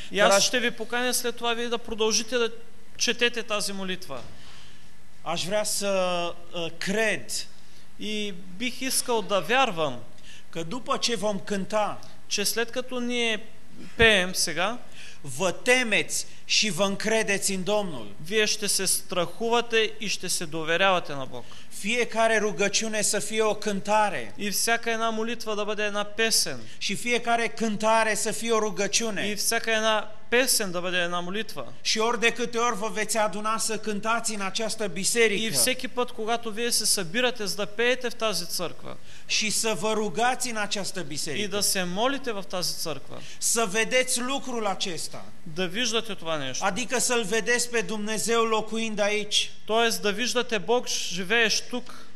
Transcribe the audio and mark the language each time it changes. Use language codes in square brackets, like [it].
[ro] Iar aș [bg] ще ви поканя след това вие да продължите да четете тази молитва. [ro] Aș vrea să cred [bg] и бих искал да вярвам, [ro] că după ce vom cânta, [bg] че след като ние пеем сега, [ro] vă temeți și vă încredeți în Domnul. [bg] Вие ще се страхувате и ще се доверявате на Бог. [ro] Fiecare rugăciune să fie o cântare. [bg] И всяка една молитва да бъде една песен. [ro] Și fiecare cântare să fie o rugăciune. [bg] И всяка една песен да бъде една молитва. [ro] Și ori de câte ori vă veți aduna să cântați în această biserică. [bg] И всеки път, когато вие се събирате, за да пеете в тази църква. [ro] Și să vă rugați în această biserică. [bg] И да се молите в тази църква. [ro] Să vedeți lucrul acesta. [bg] Да виждате това нещо. [ro] Adică să-L vedeți pe Dumnezeu locuind aici. [bg] Тоест да виждате Бог живеещ тук.